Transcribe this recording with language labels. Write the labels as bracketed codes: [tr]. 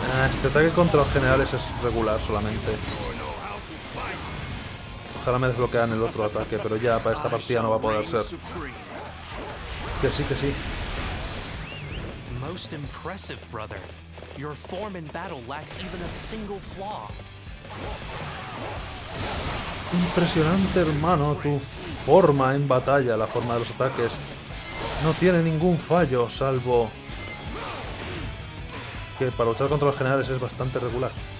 [es] Este ataque contra los generales es regular solamente. Ojalá me desbloquean el otro ataque, pero ya para esta partida no va a poder ser. Que sí, que sí. [en] Most impressive, brother. Your form in battle lacks even a single flaw. [es] Impresionante, hermano, tu forma en batalla, la forma de los ataques. No tiene ningún fallo, salvo que para luchar contra los generales es bastante regular.